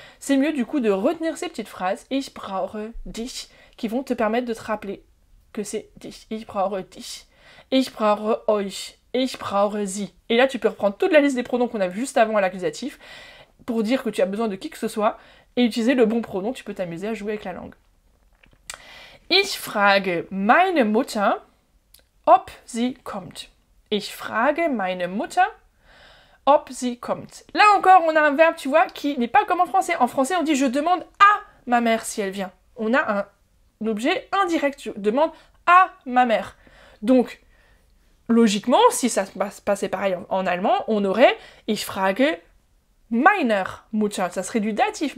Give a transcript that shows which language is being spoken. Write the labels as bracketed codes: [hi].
[fr] C'est mieux du coup de retenir ces petites phrases, [de] ich brauche dich, [fr] qui vont te permettre de te rappeler que c'est dich, [de] ich brauche dich, ich brauche euch. Ich brauche sie. [fr] Et là, tu peux reprendre toute la liste des pronoms qu'on a vu juste avant à l'accusatif pour dire que tu as besoin de qui que ce soit et utiliser le bon pronom. Tu peux t'amuser à jouer avec la langue. [de] Ich frage meine Mutter, ob sie kommt. Ich frage meine Mutter, ob sie kommt. [fr] Là encore, on a un verbe, tu vois, qui n'est pas comme en français. En français, on dit je demande à ma mère si elle vient. On a un objet indirect. Je demande à ma mère. Donc, logiquement, si ça se passait pareil en allemand, on aurait « [de] Ich frage meiner Mutter [fr] ». Ça serait du datif.